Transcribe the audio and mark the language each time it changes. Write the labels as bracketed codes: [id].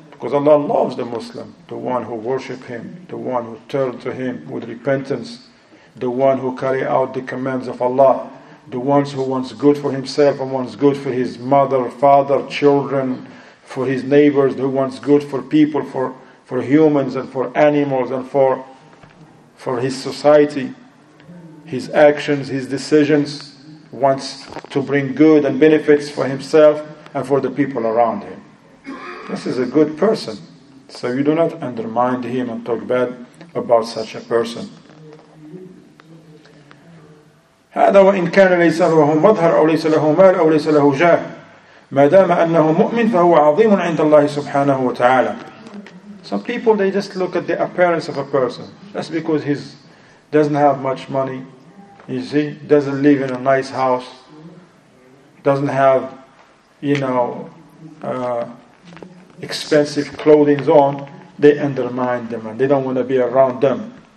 [en] Because Allah loves the Muslim, the one who worship Him, the one who turn to Him with repentance, the one who carry out the commands of Allah, the ones who wants good for himself and wants good for his mother, father, children, for his neighbors, who wants good for people, for humans and for animals and for his society, his actions, his decisions, wants to bring good and benefits for himself and for the people around him. This is a good person. So you do not undermine him and talk bad about such a person. [ar] هذا وإن كان ليس له مظهر أو ليس له مال أو ليس له جاه ما دام أنه مؤمن فهو عظيم عند الله سبحانه وتعالى. [en] Some people, they just look at the appearance of a person. That's because he doesn't have much money. You see, doesn't live in a nice house, doesn't have, you know, expensive clothing on, they undermine them and they don't want to be around them.